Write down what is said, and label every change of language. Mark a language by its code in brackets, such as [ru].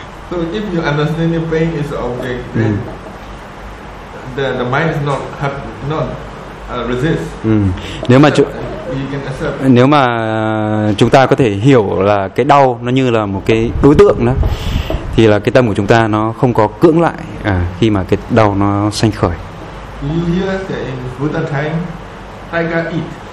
[en] So if you understand your pain is an object, then the mind is not have not resist. [vi] Nếu mà chúng ta có thể hiểu là cái đau nó như là một cái đối tượng đó, thì là cái tâm của chúng ta nó không có cưỡng lại khi mà cái đau nó sanh khởi. [en] You hear that in Buddha time, tiger eat.